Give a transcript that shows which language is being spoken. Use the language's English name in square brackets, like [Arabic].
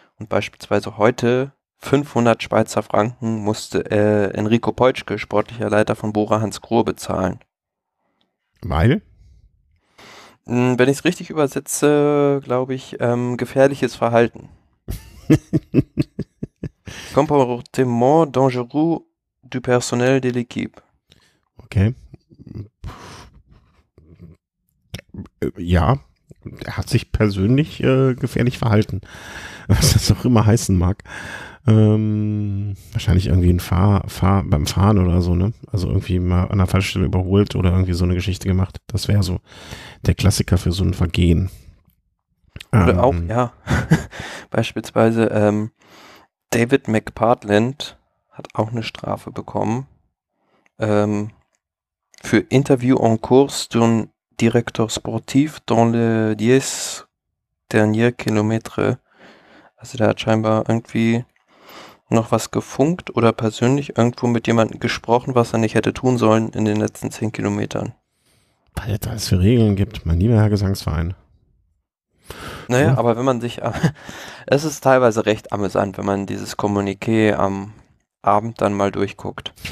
[German] Und beispielsweise heute 500 Schweizer Franken musste Enrico Peutschke, sportlicher Leiter von Bora Hansgrohe, bezahlen. Weil? Wenn ich es richtig übersetze, glaube ich, gefährliches Verhalten. [French] Comportement dangereux du personnel de l'équipe. [German] Okay. Ja, er hat sich persönlich gefährlich verhalten, was das auch immer heißen mag. Wahrscheinlich irgendwie beim Fahren oder so, ne? Also irgendwie mal an der falschen Stelle überholt oder irgendwie so eine Geschichte gemacht. Das wäre so der Klassiker für so ein Vergehen. Oder auch, ja. Beispielsweise David McPartland hat auch eine Strafe bekommen. [French] Für Interview en cours d'un directeur sportif dans les 10 derniers kilomètres. [German] Also der hat scheinbar irgendwie noch was gefunkt oder persönlich irgendwo mit jemandem gesprochen, was er nicht hätte tun sollen in den letzten 10 Kilometern. Weil es da für Regeln gibt, mein lieber Herr Gesangsverein. Naja, so. Aber wenn man sich, es ist teilweise recht amüsant, wenn man dieses Kommuniqué am Abend dann mal durchguckt.